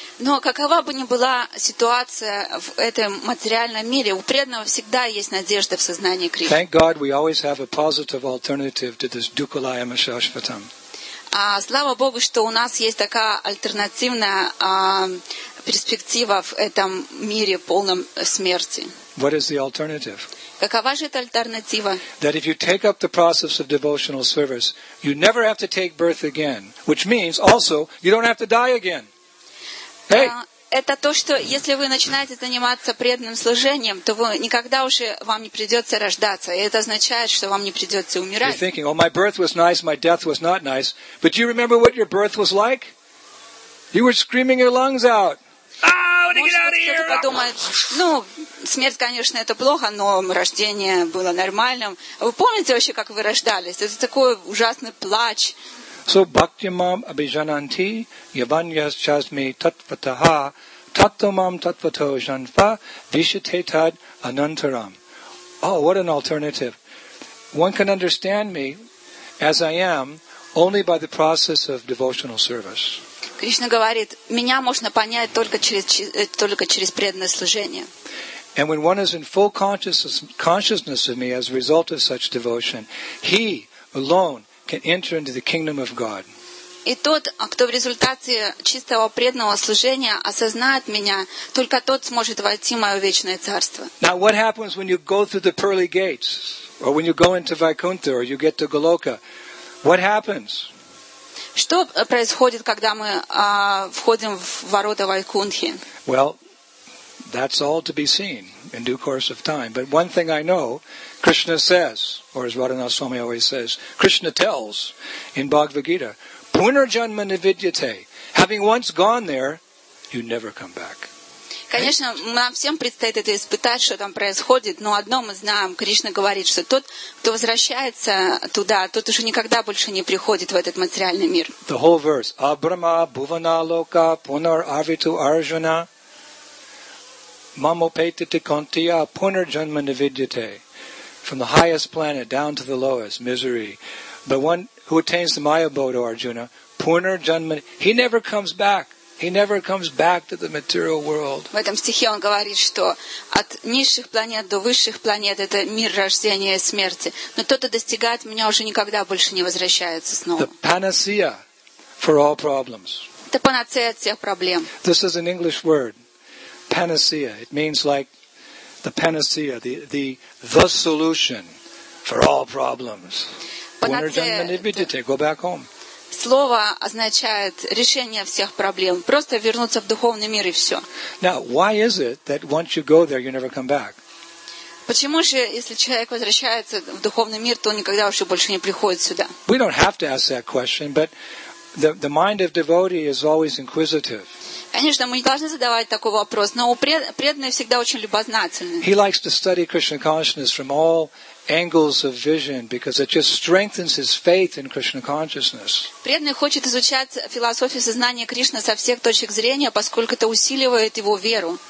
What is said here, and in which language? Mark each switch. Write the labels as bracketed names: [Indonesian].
[Russian] Но какова бы ни была ситуация в этом материальном мире, у преданного всегда есть надежда в сознании Кришны. [English] Thank God we always have a positive alternative to this [Sanskrit] dukkhalaya mashashvatam. [Russian] Слава Богу, что у нас есть такая альтернативная перспектива в этом мире полном смерти. [English] What is the alternative? [Russian] Какова же эта альтернатива? [English] That if you take up the process of devotional service, you never have to take birth again, which means also you don't have to die again. [Russian] Это то, что если вы начинаете заниматься преданным служением, то вы никогда уже вам не придется рождаться. И это означает, что вам не придется умирать. [English] You're thinking, oh, my birth was nice, my death was not nice. But do you remember what your birth was like? You were screaming your lungs out. [Russian] Кто-то подумает, ну, смерть, конечно, это плохо, но рождение было нормальным. Вы помните вообще, как вы рождались? Это такой ужасный плач. [Sanskrit] So bhaktimam abhijananti yavanyas chasmi tatvataha tatvamam tatvato janfa vishatetad anantaram. [English] Oh, what an alternative. One can understand me as I am only by the process of devotional service. [Russian] Кришна говорит, меня можно понять только через преданное служение. [English] And when one is in full consciousness of me as a result of such devotion, he alone can enter into the kingdom of God. [Russian] И тот, кто в результате чистого преданного служения осознает меня, только тот сможет войти в мое вечное царство. [English] Now what happens when you go through the pearly gates, or when you go into Vaikuntha, or you get to Goloka? What happens? [Russian] Что происходит, когда мы входим в ворота Вайкунтхи? [English] Well, that's all to be seen in due course of time. But one thing I know, Krishna says, or as Radhana Swami always says, Krishna tells in Bhagavad Gita, [Sanskrit] Punarjanma Nividyate, [English] having once gone there, you never come back. [Russian] Конечно, нам всем предстоит это испытать, что там происходит, но одно мы знаем, Кришна говорит, что тот, кто возвращается туда, тот уже никогда больше не приходит в этот материальный мир. [English] The whole verse, [Sanskrit] Абрама Бувана Лока Пунар Авиту Арджуна Мамопетити Контия Пунарджанма Навидьяте. [English] From the highest planet down to the lowest, misery. But one who attains the Maya Bodo, Arjuna, Пунарджанма, he never comes back. He never comes back to the material world. [Russian] В этом стихе он говорит, что от низших планет до высших планет это мир рождения и смерти. Но тот, кто достигает меня, уже никогда больше не возвращается снова. [English] The panacea for all problems. [Russian] Это панацея от всех проблем. [English] This is an English word. panacea. It means like the panacea, the solution for all problems. When you're done meditating, go back home. [Russian] Слово означает решение всех проблем. Просто вернуться в духовный мир и все. [English] Now, why is it that once you go there, you never come back? [Russian] Почему же, если человек возвращается в духовный мир, то никогда уже больше не приходит сюда? [English] We don't have to ask that question, but the mind of devotee is always inquisitive. [Russian] Конечно, мы не должны задавать такой вопрос, но преданный всегда очень любознательный. [English] He likes to study Krishna consciousness from all angles of vision because it just strengthens his faith in Krishna consciousness. [Russian] Преданный хочет изучать философию сознания Кришны со всех точек зрения, поскольку это усиливает его веру.